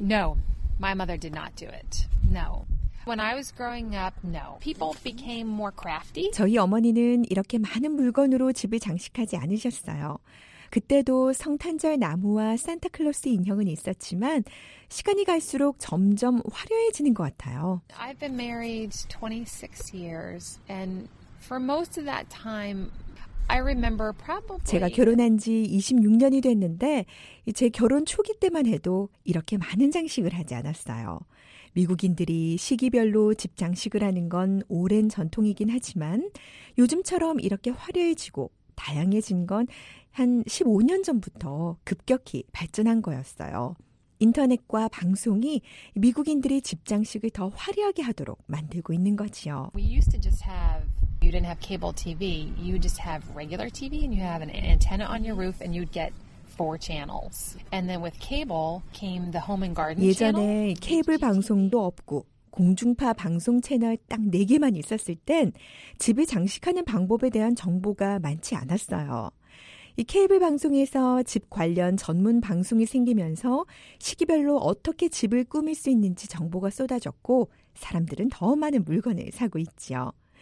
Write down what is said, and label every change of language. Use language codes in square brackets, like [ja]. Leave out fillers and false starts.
[en] No, my mother did not do it. No. When I was growing up, no. People became more crafty. [ko] 저희 어머니는 이렇게 많은 물건으로 집을 장식하지 않으셨어요. 그때도 성탄절 나무와 산타클로스 인형은 있었지만 시간이 갈수록 점점 화려해지는 것 같아요. [en] I've been married 26 years and for most of that time I remember probably [ko] 제가 결혼한 지 26년이 됐는데 제 결혼 초기 때만 해도 이렇게 많은 장식을 하지 않았어요. 미국인들이 시기별로 집 장식을 하는 건 오랜 전통이긴 하지만 요즘처럼 이렇게 화려해지고 다양해진 건 한 15년 전부터 급격히 발전한 거였어요. 인터넷과 방송이 미국인들이 집 장식을 더 화려하게 하도록 만들고 있는 거지요. [en] We used to just have you didn't have cable TV. You just have regular TV and you have an antenna on your roof and you'd get four channels. And then with cable came the home and garden channel. [ko] 예전에 케이블 방송도 없고 공중파 방송 채널 딱 4개만 있었을 땐 집을 장식하는 방법에 대한 정보가 많지 않았어요. 이 케이블 방송에서 집 관련 전문 방송이 생기면서 시기별로 어떻게 집을 꾸밀 수 있는지 정보가 쏟아졌고 사람들은 더 많은 물건을 사고 있지요.